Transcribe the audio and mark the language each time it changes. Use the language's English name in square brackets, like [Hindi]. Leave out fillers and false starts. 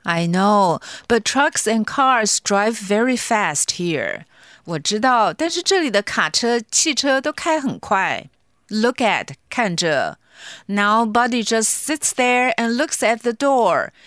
[English] I know, but trucks and cars drive very fast here. [Chinese] 我知道，但是这里的卡车、汽车都开很快。 [English] Look at, [Chinese] 看着。 [English] Now Buddy just sits there and looks at the door.